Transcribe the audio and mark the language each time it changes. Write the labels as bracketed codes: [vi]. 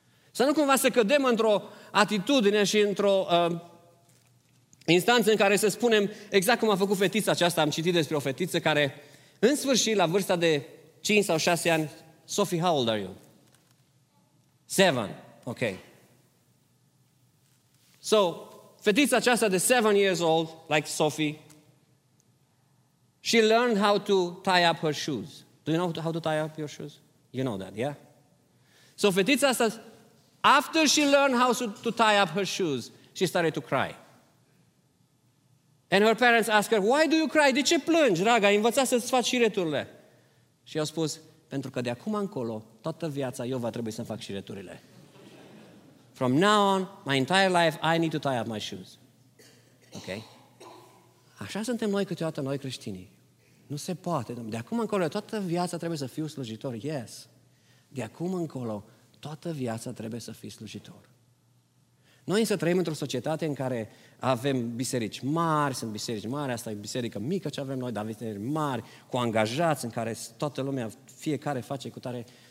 [ro] Să nu cumva să cădem într-o atitudine și într-o instanță în care să spunem exact cum a făcut fetița aceasta. Am citit despre o fetiță care, în sfârșit, la vârsta de 5 sau 6 ani, [en] Sophie, how old are you? 7, ok. So, [ro] fetița aceasta de [en] 7 years old, like Sophie, she learned how to tie up her shoes. Do you know how to tie up your shoes? You know that, yeah? So, [ro] fetița asta, [en] after she learned how to tie up her shoes, she started to cry. And her parents asked her, why do you cry? [ro] De ce plângi, dragă? Ai învățat să-ți faci șireturile. Și au spus, pentru că de acum încolo, toată viața, eu va trebui să-mi fac șireturile. [en] From now on, my entire life, I need to tie up my shoes. Ok? [ro] Așa suntem noi câteodată, noi creștinii. Nu se poate. De acum încolo, toată viața trebuie să fiu slujitor. [en] Yes. [ro] De acum încolo, toată viața trebuie să fii slujitor. Noi însă trăim într-o societate în care avem biserici mari, sunt biserici mari, asta e biserică mică ce avem noi, dar biserici mari, cu angajați, în care toată lumea, fiecare face cu tare.